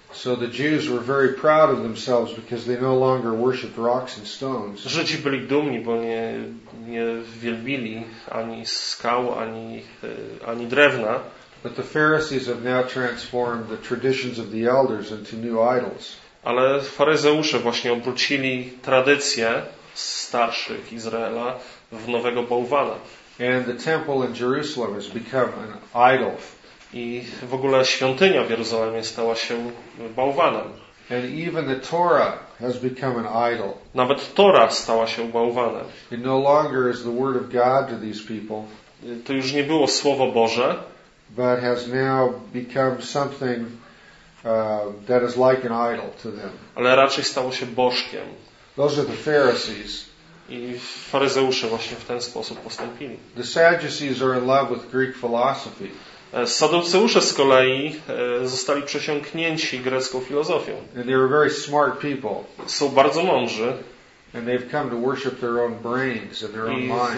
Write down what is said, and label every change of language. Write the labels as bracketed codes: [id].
[en] So the Jews were very proud of themselves because they no longer worship rocks and stones. [pl] Żydzi byli dumni, bo nie wielbili ani skał, ani drewna. [en] But the Pharisees have now transformed the traditions of the elders into new idols. [pl] Ale faryzeusze właśnie obrócili tradycje starszych Izraela w nowego bałwana. [en] And the temple in Jerusalem has become an idol. [pl] I w ogóle świątynia w Jerozolimie stała się bałwanem. [en] And even the Torah has become an idol. [pl] Nawet Tora stała się bałwanem. [en] It no longer is the word of God to these people. [pl] To już nie było Słowo Boże. [en] But has now become something that is like an idol to them. [pl] Ale raczej stało się bożkiem. [en] Those are the Pharisees. [pl] I faryzeusze właśnie w ten sposób postąpili. [en] The Sadducees are in love with Greek philosophy. [pl] Saduceusze z kolei zostali przesiąknięci grecką filozofią. [en] And they were very smart people. [pl] Są bardzo mądrzy. [en] And they've come to worship their own brains and their own minds.